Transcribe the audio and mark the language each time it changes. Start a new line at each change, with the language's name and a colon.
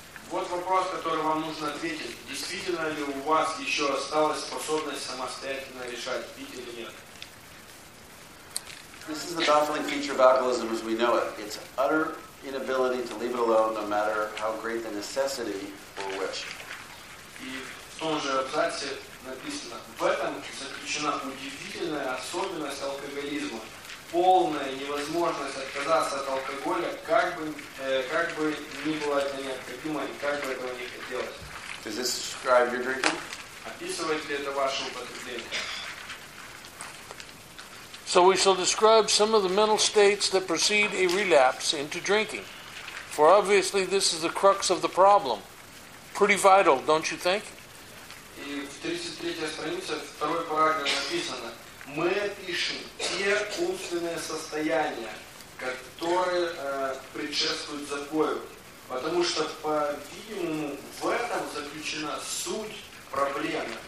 Russian: Вот вопрос, который вам нужно ответить. Действительно ли у вас еще осталась способность самостоятельно решать, пить или нет?
English: This is the baffling feature of alcoholism as we know it. Its utter inability to leave it alone, no matter how great the necessity or wish.
Russian: И в том же абзаце написано, в этом заключена удивительная особенность алкоголизма, полная невозможность отказаться от алкоголя, как бы ни было это необходимо и как бы этого не хотелось.
English: Does this describe your drinking?
Russian: Описывает ли это ваше употребление?
English: So we shall describe some of the mental states that precede a relapse into drinking. For obviously this is the crux of the problem. Pretty vital, don't you think?
Russian: И в 33 странице, второй параграф написано, мы пишем те умственные состояния, которые предшествуют запою, потому что, по-видимому, в этом заключена суть проблемы.